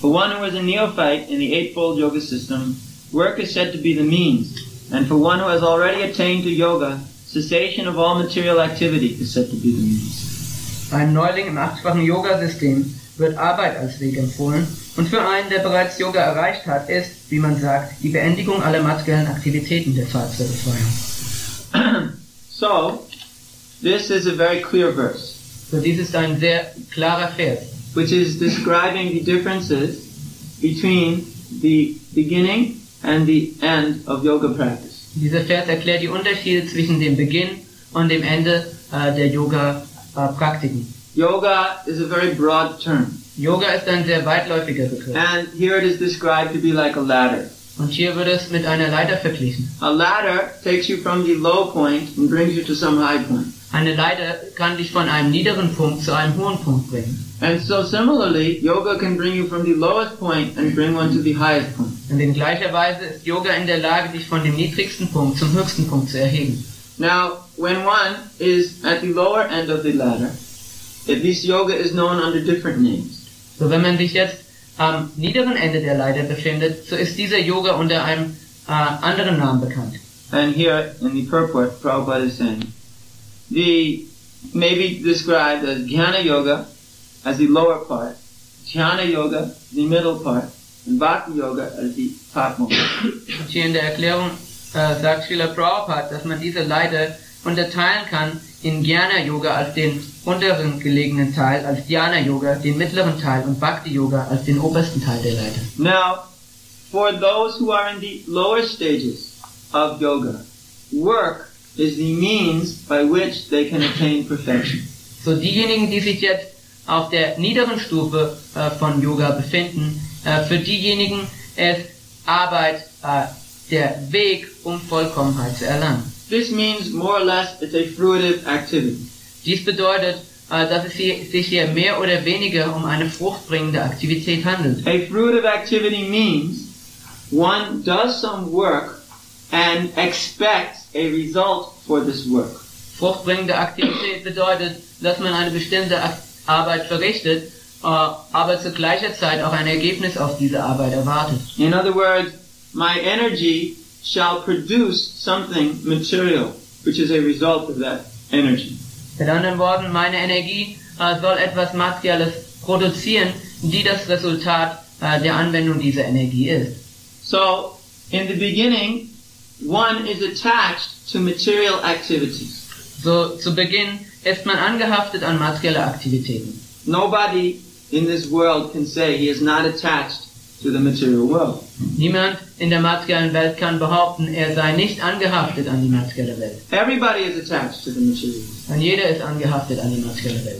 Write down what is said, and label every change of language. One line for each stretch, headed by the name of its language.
English: For one who is a neophyte in the Eightfold Yoga System, work is said to be the means, and for one who has already attained to yoga, cessation of all material activity is said to be the means.
German: Ein Neuling im achtfachen Yoga-System wird Arbeit als Weg empfohlen, und für einen, der bereits Yoga erreicht hat, ist, wie man sagt, die Beendigung aller materiellen Aktivitäten der Fahrt zur Befreiung.
English: So, this is a very clear verse.
German: So, dies ist ein sehr klarer Vers,
English: which is describing the differences between the beginning and the end of yoga practice.
German: Dieser Vers erklärt die Unterschiede zwischen dem Beginn und dem Ende der Yoga-Praktiken.
English: Yoga is a very broad term.
German: Yoga ist ein sehr weitläufiger Begriff.
English: And here it is described to be like a ladder.
German: Und hier wird es mit einer Leiter verglichen.
English: A ladder takes you from the low point and brings you to some high point.
German: Eine Leiter kann dich von einem niederen Punkt zu einem hohen Punkt bringen.
English: And so similarly, yoga can bring you from the lowest point and bring one to the highest point.
German: Und in gleicher Weise ist Yoga in der Lage, dich von dem niedrigsten Punkt zum höchsten Punkt zu erheben.
English: Now, when one is at the lower end of the ladder, this yoga is known under different names.
German: So wenn man sich jetzt am niederen Ende der Leiter befindet, so ist dieser Yoga unter einem anderen Namen bekannt.
English: And here in the purport, Prabhupada is saying, the may be described as Jnana Yoga as the lower part, Jnana Yoga the middle part, and Bhakti Yoga as the topmost.
German: Hier in der Erklärung sagt Srila Prabhupada, dass man diese Leiter unterteilen kann in Jnana Yoga als den unteren gelegenen Teil, als Jnana Yoga den mittleren Teil und Bhakti Yoga als den obersten Teil der Leiter.
English: Now, for those who are in the lower stages of yoga, work is the means by which they can attain perfection.
German: So diejenigen, die sich jetzt auf der niederen Stufe von Yoga befinden, für diejenigen ist Arbeit der Weg, um Vollkommenheit zu erlangen.
English: This means more or less it's a fruitive activity.
German: Dies bedeutet, dass es sich hier mehr oder weniger um eine fruchtbringende Aktivität handelt.
English: A fruitive activity means one does some work and expects a result for this work.
German: Fruchtbringende Aktivität bedeutet, dass man eine bestimmte Arbeit verrichtet, aber zu gleicher Zeit auch ein Ergebnis auf diese Arbeit erwartet.
English: In other words, my energy shall produce something material, which is a result of that energy.
German: Mit anderen Worten, meine Energie soll etwas Materielles produzieren, die das Resultat der Anwendung dieser Energie ist.
English: So, in the beginning, one is attached to material activities.
German: So, zu Beginn ist man angehaftet an materielle Aktivitäten.
English: Nobody in this world can say he is not attached to the material world.
German: Niemand in der materiellen Welt kann behaupten, er sei nicht angehaftet an die materielle Welt.
English: Everybody is attached to the material world.
German: Und jeder ist angehaftet an die materielle Welt.